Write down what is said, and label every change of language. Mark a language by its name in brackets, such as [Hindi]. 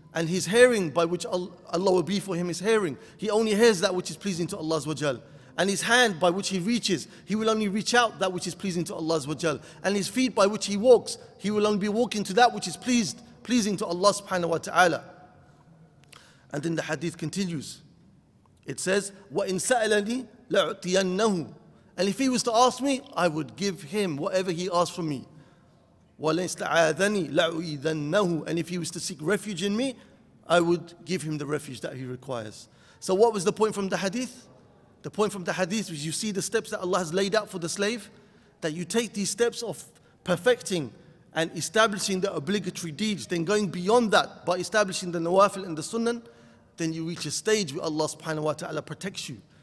[English] And his hearing by which Allah will be for him is hearing. He only hears that which is pleasing to Allah Azza wa Jal. And his hand by which he reaches, he will only reach out that which is pleasing to Allah Azza wa Jal. And his feet by which he walks, he will only be walking to that which is pleasing to Allah subhanahu wa ta'ala. And then the hadith continues. It says, [Arabic] وَإِنْ سَأَلَنِي لَعُطِيَنَّهُ. [English] And if he was to ask me, I would give him whatever he asked from me. [Arabic] وَلَنْ اسْتَعَاذَنِي لَعُيْذَنَّهُ. [English] And if he was to seek refuge in me, I would give him the refuge that he requires. So what was the point from the hadith? The point from the hadith is you see the steps that Allah has laid out for the slave, that you take these steps of perfecting and establishing the obligatory deeds, then going beyond that by establishing the nawafil and the sunnan, then you reach a stage where Allah subhanahu wa ta'ala protects you.